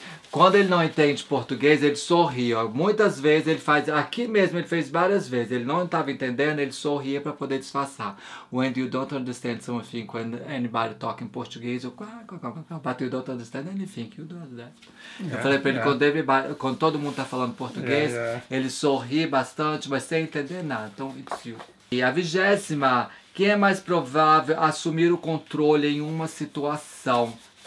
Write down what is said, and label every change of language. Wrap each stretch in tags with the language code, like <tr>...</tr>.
<pt>Quando ele não entende português, ele sorri. Ó. Muitas vezes ele faz... Aqui mesmo ele fez várias vezes. Ele não estava entendendo, ele sorria para poder disfarçar.</pt> <en>When you don't understand something, when anybody talk in português, but you don't understand anything, you do that.</en> <pt>Yeah, eu falei para ele, quando todo mundo está falando português, ele sorri bastante, mas sem entender nada. Então,</pt> <en>it's you.</en> <pt>E a 20ª, quem é mais provável assumir o controle em uma situação?</pt>